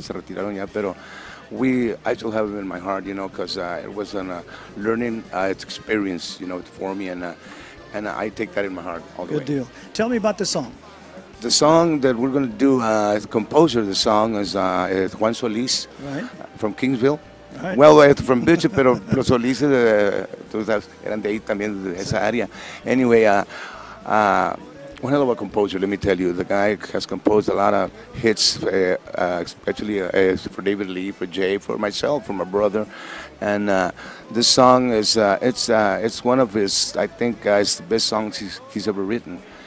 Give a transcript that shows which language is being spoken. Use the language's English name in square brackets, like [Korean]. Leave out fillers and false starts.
[Spanish] Se retiraron ya, pero I still have them in my heart, you know, because it was a learning experience, you know, for me and I take that in my heart all the [English] Good way. Good deal. Tell me about the song. The song that we're going to do, the composer of the song is Juan Solis right. From Kingsville. Right. Well, from Bishop, [Spanish] pero los Solis eran de ahí también, de esa área. [English] Anyway, one hell of a composer, let me tell you. The guy has composed a lot of hits, especially for David Lee, for Jay, for myself, for my brother. And this song is it's one of his, I think, it's the best songs he's ever written.